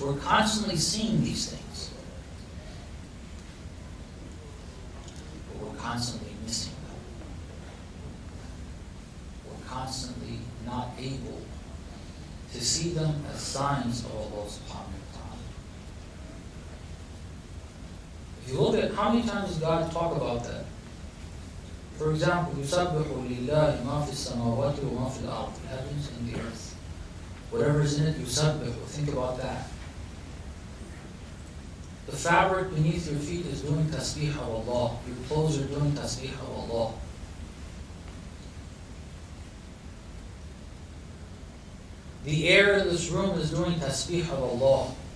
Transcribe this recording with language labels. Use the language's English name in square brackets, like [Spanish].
[English] We're constantly seeing these things, but we're constantly missing them. We're constantly not able to see them as signs of Allah subhanahu wa ta'ala. If you look at how many times does God talk about that? For example, [Arabic] يُسَبِّحُ لِلَّهِ مَا فِي السَّمَوَاتِ وَمَا فِي الْأَرْضِ, [English] heavens and the earth. Whatever is in it, يُسَبِّحُ, think about that. The fabric beneath your feet is doing تَسْبِيحَ Allah. Your clothes are doing تَسْبِيحَ Allah. The air in this room is doing تَسْبِيحَ Allah.